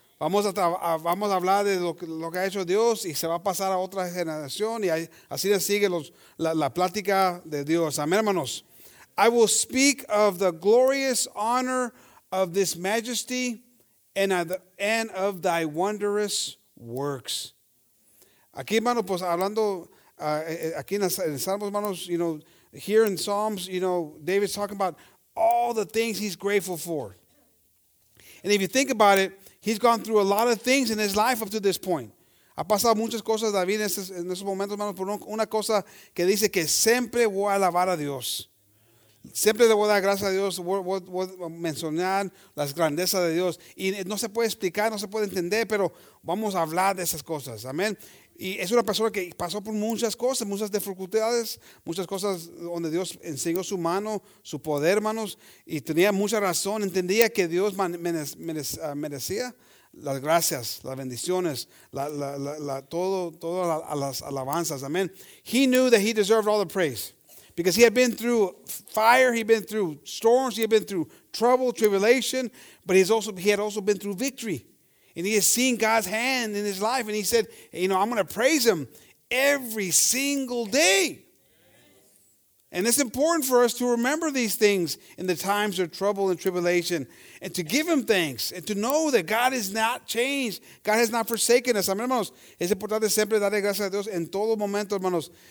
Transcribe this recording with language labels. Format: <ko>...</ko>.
<es>Vamos a hablar de lo que ha hecho Dios y se va a pasar a otra generación y así sigue la plática de Dios. Amén, hermanos.</es> <en>I will speak of the glorious honor of this majesty and of thy wondrous works.</en> <es>Aquí, hermanos, pues hablando aquí en Salmos, hermanos,</es> <en>you know, here in Psalms, you know, David's talking about all the things he's grateful for. And if you think about it, he's gone through a lot of things in his life up to this point.</en> <es>Ha pasado muchas cosas, David, en esos momentos, hermanos, pero una cosa que dice que siempre voy a alabar a Dios. Siempre le voy a dar gracias a Dios, voy a mencionar las grandezas de Dios. Y no se puede explicar, no se puede entender, pero vamos a hablar de esas cosas. Amén. Y es una persona que pasó por muchas cosas, muchas dificultades, muchas cosas donde Dios enseñó su mano, su poder, hermanos, y tenía mucha razón, entendía que Dios merecía las gracias, las bendiciones, las alabanzas, amén.</es> <en>He knew that he deserved all the praise because he had been through fire, he had been through storms, he had been through trouble, tribulation, but he had also been through victory. And he has seen God's hand in his life. And he said, you know, I'm going to praise him every single day. And it's important for us to remember these things in the times of trouble and tribulation. And to give him thanks. And to know that God has not changed. God has not forsaken us. Amen, hermanos.</en> <es>Es importante siempre darle gracias a Dios en todo momento, hermanos.</es>